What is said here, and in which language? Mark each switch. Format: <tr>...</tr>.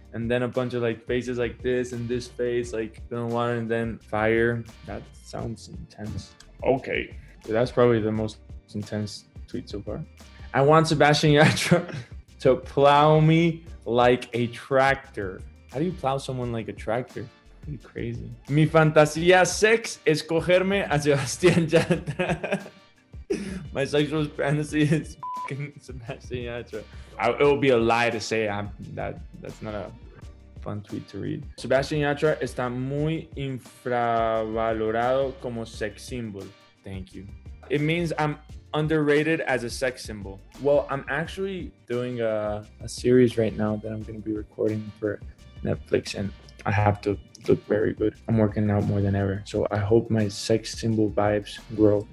<en>And then a bunch of like faces like this and this face, like the one, and then fire. That sounds intense. Okay. Yeah, that's probably the most intense tweet so far. I want Sebastián Yatra to plow me like a tractor. How do you plow someone like a tractor? Pretty crazy.</en> <es>Mi fantasía sex es cogerme a Sebastián Yatra.</es> <en>My sexual fantasy is f***ing Sebastián Yatra. It would be a lie to say that's not a fun tweet to read.</en> <es>Sebastián Yatra está muy infravalorado como sex symbol.</es> <en>Thank you. It means I'm underrated as a sex symbol. Well, I'm actually doing a series right now that I'm going to be recording for Netflix, and I have to look very good. I'm working out more than ever, so I hope my sex symbol vibes grow.</en>